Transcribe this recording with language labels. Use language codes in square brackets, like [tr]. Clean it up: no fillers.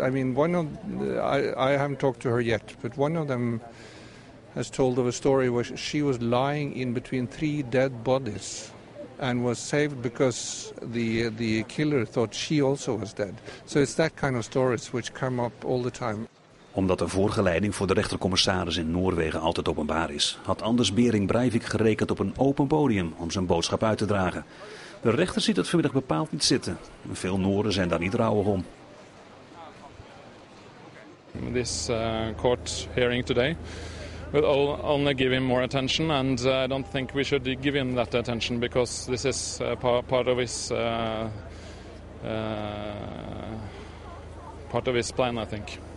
[en] I mean, one of I haven't talked to her yet, but one of them has told of a story where she was lying in between three dead bodies and was saved because the killer thought she also was dead. So it's that kind of stories which come up all the time. [nl] Omdat de voorgeleiding voor de rechtercommissaris in Noorwegen altijd openbaar is, had Anders Behring Breivik gerekend op een open podium om zijn boodschap uit te dragen. De rechter ziet het vanmiddag bepaald niet zitten. Veel Nooren zijn daar niet rouwig om. [en] This court hearing today will only give him more attention, and I don't think we should give him that attention because this is part of his plan, I think.